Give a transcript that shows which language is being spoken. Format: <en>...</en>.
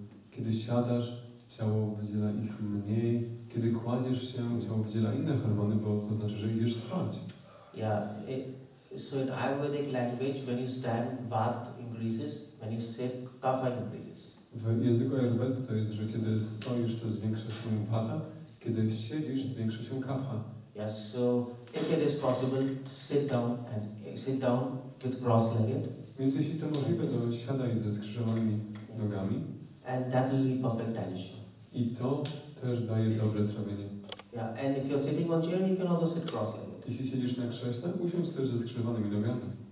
<pl>Kiedy siadasz, ciało wydziela ich mniej. Kiedy kładziesz się, ciało wydziela inne hormony, bo to znaczy, że idziesz spać.</pl> <en>So in Ayurvedic language, when you stand, vata increases. When you sit, kapha increases.</en> <pl>W języku Ayurvedy to jest, że kiedy stoisz, to zwiększa się vata. Kiedy siedzisz, zwiększa się kapha.</pl> <en>Yes, so if it is possible, sit down with cross-legged.</en> <pl>Więc jeśli to możliwe, to siadaj ze skrzyżowanymi nogami.</pl> <en>And that will be perfect digestion.</en> <pl>I to też daje dobre trawienie.</pl> <en>Yeah, and if you're sitting on chair, you can also sit cross-legged.</en> <pl>Jeśli siedzisz na krześle, usiądź też ze skrzyżowanymi nogami.</pl>